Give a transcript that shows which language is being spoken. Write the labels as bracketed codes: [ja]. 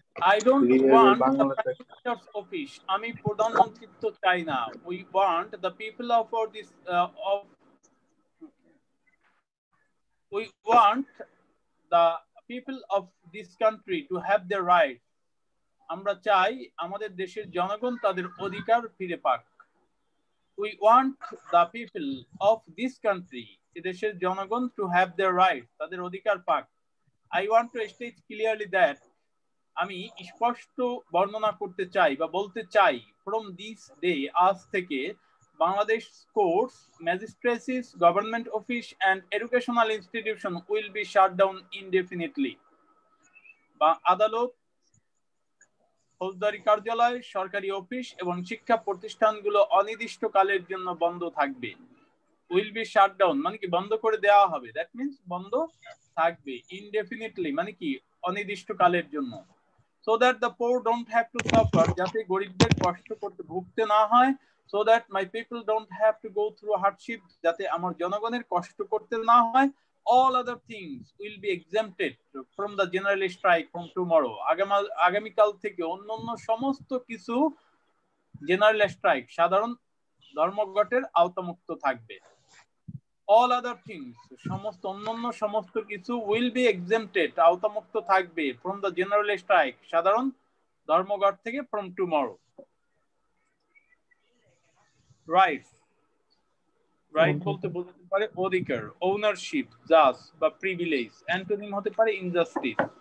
[en] I don't want the office, [bn] আমি প্রধানমন্ত্রী তো চাই না, [en] we want the people of for this of we want the people of this country to have the right, [bn] আমরা চাই আমাদের দেশের জনগণ তাদের অধিকার ফিরে পাক। [en] We want the people of this country, [bn] এদেশের জনগণ, [en] to have their rights, [bn] তাদের অধিকার পাক। [en] I want to state clearly that, [bn] আমি স্পষ্ট বর্ণনা করতে চাই বা বলতে চাই, [en] from this day, [bn] আজ থেকে, [en] Bangladesh courts, magistracies, government office and educational institution will be shut down indefinitely. [bn] আদালত, ফৌজদারি কার্যালয়, সরকারি অফিস এবং শিক্ষা প্রতিষ্ঠানগুলো অনির্দিষ্টকালের জন্য বন্ধ থাকবে। [en] will be shut down [bn] মানে কি বন্ধ করে দেওয়া হবে, [en] that means [bn] বন্ধ থাকবে, ইনডেফিনিটলি মানে কি অনির্দিষ্টকালের জন্য। [en] so that the poor don't have to suffer, [bn] যাতে গরিবদের কষ্ট করতে ভুগতে না হয়। [en] so that my people don't have to go through hardship, [bn] যাতে আমার জনগণের কষ্ট করতে না হয়। [en] All other things will be exempted from the general strike from tomorrow. [bn] আগামীকাল থেকে অন্যান্য সমস্ত কিছু [en] general strike, [bn] সাধারণ ধর্মঘটের আওতামুক্ত থাকবে। [en] All other things, [bn] সমস্ত অন্যান্য সমস্ত কিছু [en] will be exempted, [bn] আওতামুক্ত থাকবে [en] from the general strike, [bn] সাধারণ ধর্মঘট থেকে [en] from tomorrow. Right. [bn] রাইট বলতে বোঝাতে পারে অধিকার, ওনারশিপ, জাস বা প্রিভিলেজ, অ্যান্টোনিম হতে পারে ইনজাস্টিস।